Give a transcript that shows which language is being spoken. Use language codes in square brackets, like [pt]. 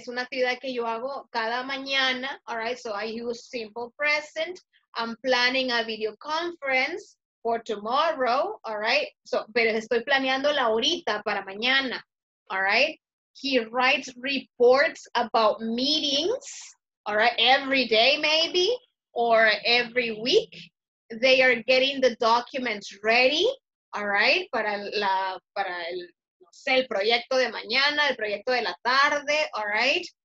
[es] Es una actividad que yo hago cada mañana, [en] all right? So I use simple present. I'm planning a video conference for tomorrow, all right? So, [es] pero estoy planeando la ahorita para mañana, [en] all right? He writes reports about meetings, all right? Every day maybe, or every week. They are getting the documents ready. All right, [es] para el, no sé, el proyecto de mañana, el proyecto de la tarde, [en] all right.